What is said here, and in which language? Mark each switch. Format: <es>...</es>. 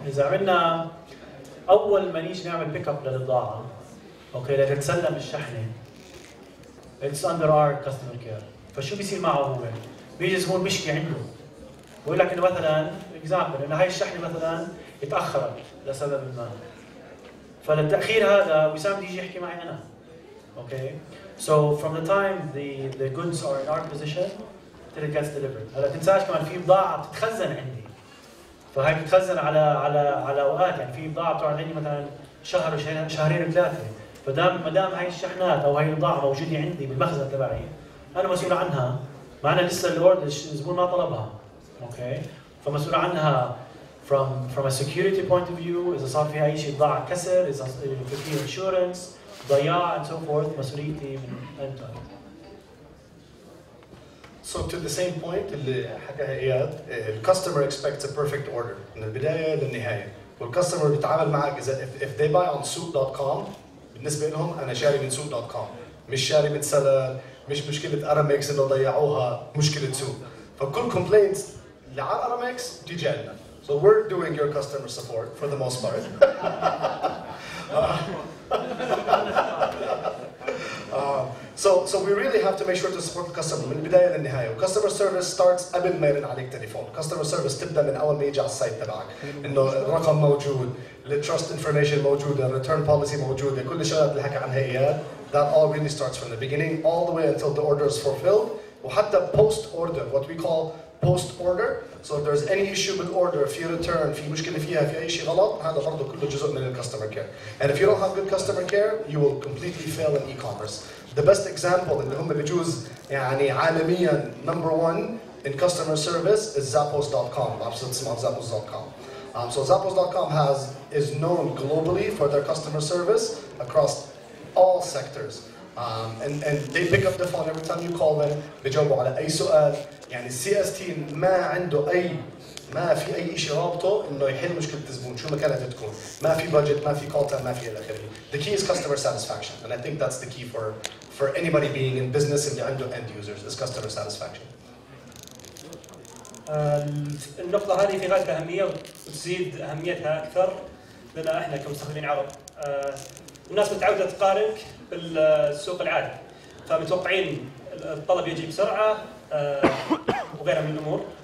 <ar>اذا عملنا اول ما نيجي نعمل بيك اب للبضاعه، اوكي، لتتسلم الشحنه،</ar> <en>It's under our customer care.</en> <ar>فشو بيصير معه هو؟ بيجي زبون بيشكي عنده، بقول لك انه مثلا اكزامبل انه هاي الشحنه مثلا اتاخرت لسبب ما، فالتاخير هذا وسام بيجي يحكي معي انا، اوكي.</ar> <en>So from the time the goods are in our position till it gets delivered.</en> <ar>هلا تنساش كمان في بضاعة بتتخزن عندي، فهي بتتخزن على على على أوقات، يعني في بضاعة بتقعد عندي مثلا شهر شهرين ثلاثة، فدام ما دام هاي الشحنات أو هاي البضاعة موجودة عندي بالمخزن تبعي أنا مسؤول عنها، معنا لسه الأورد الزبون ما طلبها، أوكي، فمسؤول عنها</ar> <en>from a security point of view.</en> <ar>إذا صار فيها أي شيء بضاعة كسر، إذا في فيها insurance ضياع</ar> <en>and so forth،</en> <ar>مسؤوليتي من أنت.</ar> <en>So to the same point</en> <ar>اللي حكاها إياد،</ar> <en>the customer expects a perfect order</en> <ar>من البداية للنهاية، والcustomer بيتعامل معك إذا</ar> <en>if they buy on suit.com</en> <ar>بالنسبة لهم أنا شاري من suit.com، مش شاري من سلا، مش مشكلة أرامكس إنه ضيعوها، مشكلة suit. فكل complaints اللي على أرامكس بتيجي عندنا.</ar> <en>So we're doing your customer support for the most part. So we really have to make sure to support the customer</en> <ar>من البداية للنهاية.</ar> <en>Customer service starts</en> <ar>قبل ما يرن عليك تليفون.</ar> <en>Customer service</en> <ar>تبدأ من أول ما يجي على السايت تبعك، إنه الرقم موجود،</ar> <en>the trust information</en> <ar>موجودة،</ar> <en>return policy</en> <ar>موجودة، كل الشغلات اللي حكي عنها إياه.</ar> <en>That all really starts from the beginning all the way until the order is fulfilled. وحتى post order, what we call post order. So if there's any issue with order,</en> <ar>في return، في مشكلة فيها، في أي شيء غلط، هذا برضه كله جزء من ال customer care.</ar> <en>And if you don't have good customer care, you will completely fail in e-commerce. The best example</en> <ar>اللي هم بجوز يعني عالميا</ar> <en>number one in customer service is Zappos.com.</en> <ar>بعرفش اسمه Zappos.com.</ar> <en>So Zappos.com is known globally for their customer service across all sectors. And they pick up the phone every time you call them.</en> <ar>بجاوبوا على أي سؤال. يعني CST ما عنده أي ما في أي إشي رابطه إنه يحل مشكلة الزبون شو ما كانت تكون. ما في budget، ما في call time، ما في إلى آخره.</ar> <en>The key is customer satisfaction, and I think that's the key for anybody being in business and the end users is customer satisfaction.</en> <ar>النقطة هذه في غاية أهمية وتزيد أهميتها أكثر لنا إحنا كمستخدمين عرب. الناس متعودة تقارنك بالسوق العادي، فمتوقعين الطلب يجي بسرعة وغيرها من الأمور.</ar>